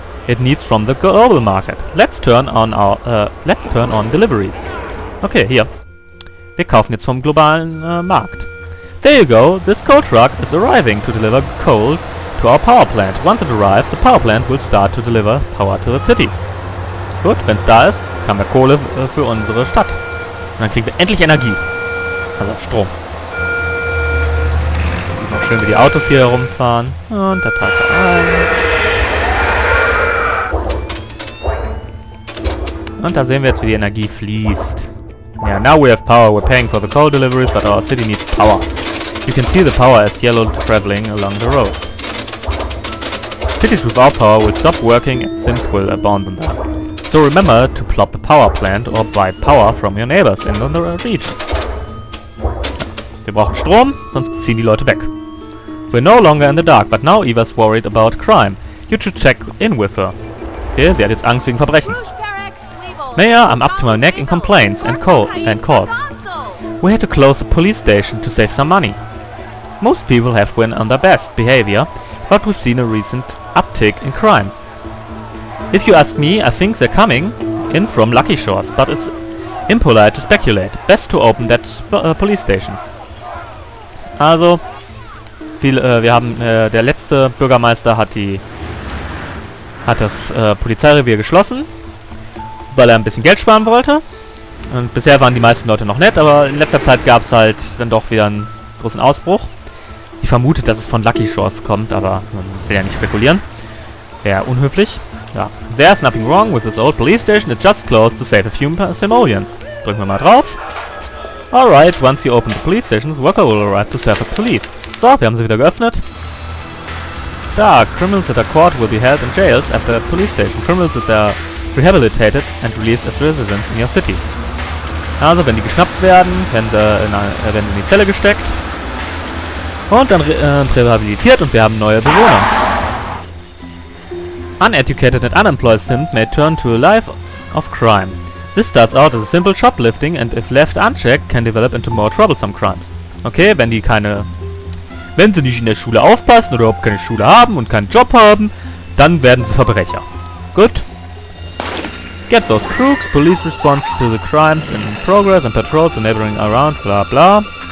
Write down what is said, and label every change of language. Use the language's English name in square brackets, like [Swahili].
[English] It needs from the global market. Let's turn on deliveries. Okay, hier. [German] Wir kaufen jetzt vom globalen Markt. [English] There you go, this coal truck is arriving to deliver coal to our power plant. Once it arrives, the power plant will start to deliver power to the city. [German] Gut, wenn es da ist, kann wir Kohle für unsere Stadt. Und dann kriegen wir endlich Energie. Also Strom. Noch schön, wie die Autos hier herumfahren. Und der Tag ein. Und da sehen wir jetzt, wie die Energie fließt. [English] Yeah, now we have power. We're paying for the coal deliveries, but our city needs power. You can see the power is yellow traveling along the road. Cities without power will stop working and Sims will abandon them. So remember to plop the power plant or buy power from your neighbors in the region. [German] Wir brauchen Strom, sonst ziehen die Leute weg. [English] We're no longer in the dark, but now Eva's worried about crime. You should check in with her. [German] Okay, sie hat jetzt Angst wegen Verbrechen. Naja, [English] I'm up to my neck in complaints and calls. We had to close the police station to save some money. Most people have been on their best behavior, but we've seen a recent uptick in crime. If you ask me, I think they're coming in from Lucky Shores, but it's impolite to speculate. Best to open that police station. [German] Also, der letzte Bürgermeister hat das Polizeirevier geschlossen, weil er ein bisschen Geld sparen wollte. Und bisher waren die meisten Leute noch nett, aber in letzter Zeit gab es halt dann doch wieder einen großen Ausbruch. Sie vermutet, dass es von Lucky Shores kommt, aber man will ja nicht spekulieren. Wäre unhöflich. Ja. [English] There's nothing wrong with this old police station. It just closed to save a few simoleons. [German] Drücken wir mal drauf. [English] Alright, once you open the police station, the worker will arrive to serve the police. [German] So, wir haben sie wieder geöffnet. Da, [English] criminals that are caught will be held in jails at the police station. Criminals that are rehabilitated and released as residents in your city. [German] Also, wenn die geschnappt werden, werden sie in die Zelle gesteckt. Und dann rehabilitiert und wir haben neue Bewohner. [English] Uneducated and unemployed Sims may turn to a life of crime. This starts out as a simple shoplifting and if left unchecked can develop into more troublesome crimes. [German] Okay, wenn sie nicht in der Schule aufpassen oder überhaupt keine Schule haben und keinen Job haben, dann werden sie Verbrecher. Gut. [English] Get those crooks, police response to the crimes in progress and patrols the neighboring around, bla bla.